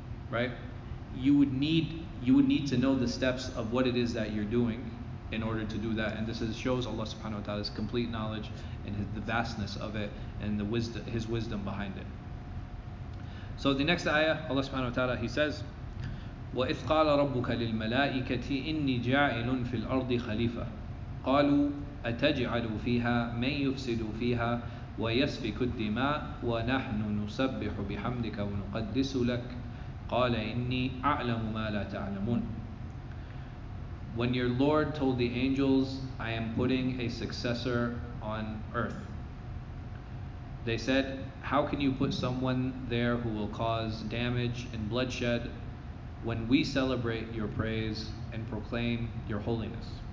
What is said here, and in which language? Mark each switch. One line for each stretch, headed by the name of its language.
English: Right? You would need to know the steps of what it is that you're doing in order to do that. And this shows Allah subhanahu wa ta'ala's complete knowledge and the vastness of it, and the wisdom, His wisdom behind it. So the next ayah, Allah subhanahu wa ta'ala, He says,
Arabic: وَإِذْ قَالَ رَبُّكَ لِلْمَلَائِكَةِ إِنِّي جَاعِلٌ فِي الْأَرْضِ خَلِيفَةً قالوا أتجعل فيها من يفسد فيها ويسفك الدماء ونحن نسبح بحمدك ونقدس لك قال إني أعلم ما لا تعلمون.
English: When your Lord told the angels, I am putting a successor on earth, they said, how can you put someone there who will cause damage and bloodshed when we celebrate your praise and proclaim your holiness?